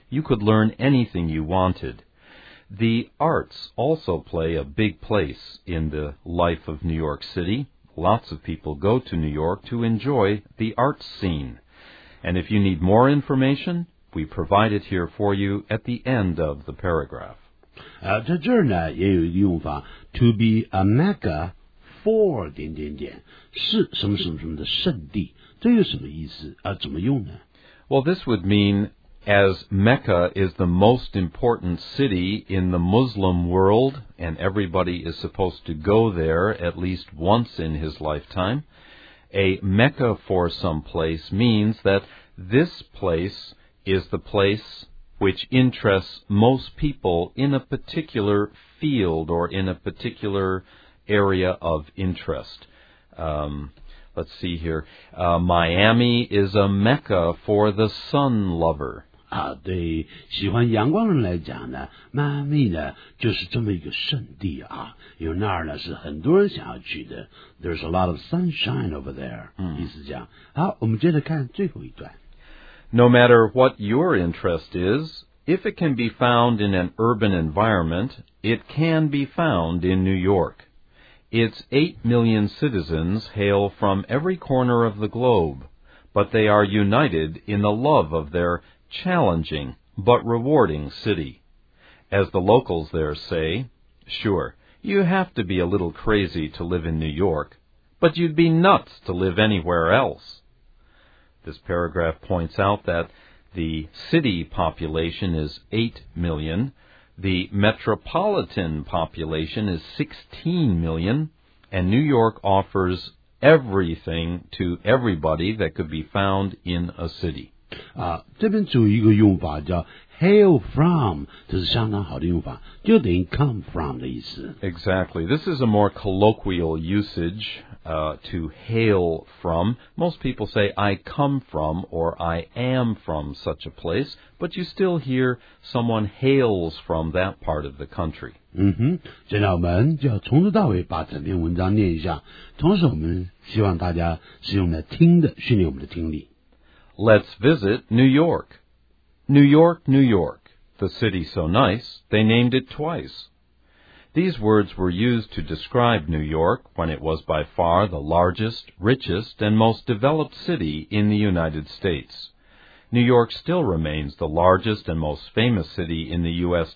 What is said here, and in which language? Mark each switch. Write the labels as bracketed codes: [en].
[en] You could learn anything you wanted. The arts also play a big place in the life of New York City. Lots of people go to New York to enjoy the art scene. And if you need more information, we provide it here for you at the end of the paragraph. [zh] 在这儿呢也有一个用法 [en] to be a mecca for [zh] 点点点是什么什么什么的圣地这有什么意思怎么用呢 [en] Well, this would mean as Mecca is the most important city in the Muslim world,and everybody is supposed to go there at least once in his lifetime. A Mecca for some place means that this place is the place which interests most people in a particular field or in a particular area of interest. Let's see here. Miami is a Mecca for the sun lover. [zh] 对喜欢阳光人来讲呢迈阿密呢就是这么一个圣地啊因为那儿呢是很多人想要去的 [en] There's a lot of sunshine over there、 [zh] 意思这样好我们接着看最后一段 [en] No matter what your interest is if it can be found in an urban environment it can be found in New York Its 8 million citizens hail from every corner of the globe but they are united in the love of theirchallenging but rewarding city. As the locals there say, sure, you have to be a little crazy to live in New York, but you'd be nuts to live anywhere else. This paragraph points out that the city population is 8 million, the metropolitan population is 16 million, and New York offers everything to everybody that could be found in a city. [zh] 这边只有一个用法叫 [en] hail from, [zh] 这是相当好的用法就等于 [en] come from [zh] 的意思。 [en] Exactly. This is a more colloquial usage, to hail from. Most people say, I come from or I am from such a place, but you still hear someone hails from that part of the country. [zh] 现在我们就要从头到尾把整篇文章念一下同时我们希望大家是用来听的训练我们的听力。 [en] Let's visit New York. New York, New York, the city so nice, they named it twice. These words were used to describe New York when it was by far the largest, richest, and most developed city in the United States. New York still remains the largest and most famous city in the U.S.